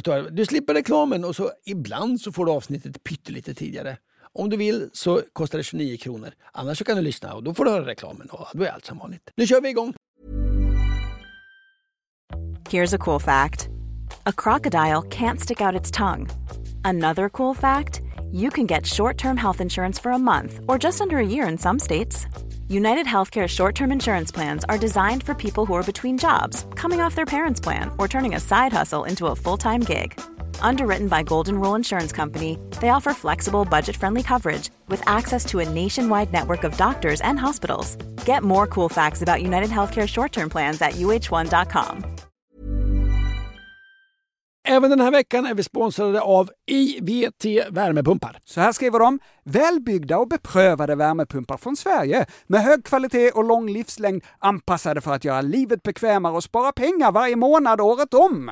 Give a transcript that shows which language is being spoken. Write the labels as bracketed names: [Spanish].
[Swedish] Du slipper reklamen, och så ibland så får du avsnittet pyttelite tidigare. Om du vill så kostar det 29 kronor. Annars så kan du lyssna och då får du höra reklamen, och då är allt som vanligt. Nu kör vi igång! [English] Here's a cool fact. A crocodile can't stick out its tongue. Another cool fact. You can get short-term health insurance for a month or just under a year in some states. United Healthcare short-term insurance plans are designed for people who are between jobs, coming off their parents' plan, or turning a side hustle into a full-time gig. Underwritten by Golden Rule Insurance Company, they offer flexible, budget-friendly coverage with access to a nationwide network of doctors and hospitals. Get more cool facts about United Healthcare short-term plans at uh1.com. [Swedish] Även den här veckan är vi sponsrade av IVT värmepumpar. Så här skriver de: välbyggda och beprövade värmepumpar från Sverige med hög kvalitet och lång livslängd, anpassade för att göra livet bekvämare och spara pengar varje månad året om.